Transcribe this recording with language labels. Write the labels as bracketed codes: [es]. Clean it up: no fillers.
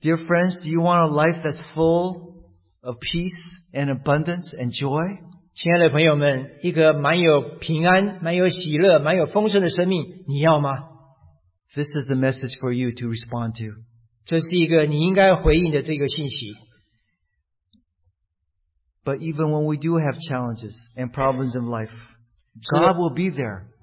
[en] Dear friends, do you want a life that's full of peace and abundance and joy? [zh] 亲爱的朋友们，一个满有平安、满有喜乐、满有丰盛的生命，你要吗？ [en] This is the message for you to respond to. [zh] 这是一个你应该回应的这个信息。 [en] But even when we do have challenges and problems in life, God will be there.